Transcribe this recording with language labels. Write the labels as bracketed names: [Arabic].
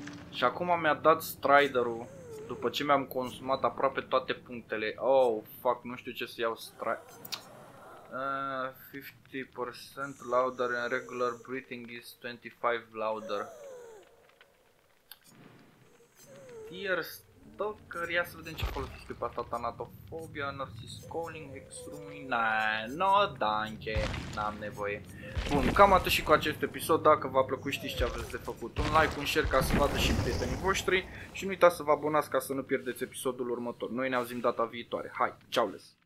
[Romanian] Și acum mi-a dat Striderul după ce mi-am consumat aproape toate punctele. [English] Oh, fuck, [Romanian] nu știu ce să iau Strider. [English] 50% louder and regular breathing is 25% louder. [Romanian] Tier stalker, ia să vedem ce folosește pe asta. Tanatofobia, nurses calling, extreme, no, danke, n-am nevoie. Bun, cam atât și cu acest episod. Dacă v-a plăcut, știți ce aveți de făcut. Un like, un share ca să vadă și prietenii voștri. Și nu uitați să vă abonați ca să nu pierdeți episodul următor. Noi ne auzim data viitoare. Hai, ciao les.